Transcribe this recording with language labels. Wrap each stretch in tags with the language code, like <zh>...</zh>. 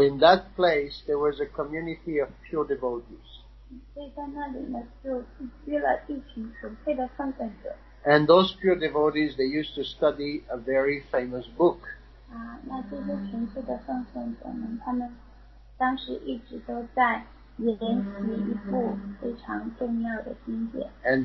<en>in that place, there was a community of pure devotees.</en> <zh>所以在那里呢，就聚集了一群纯粹的奉献者。</zh> <en>And those pure devotees, they used to study a very famous book.</en> <zh>那这些纯粹的奉献者们，他们 当时一直都在研习一部非常重要的经典。</zh> <en>And</en>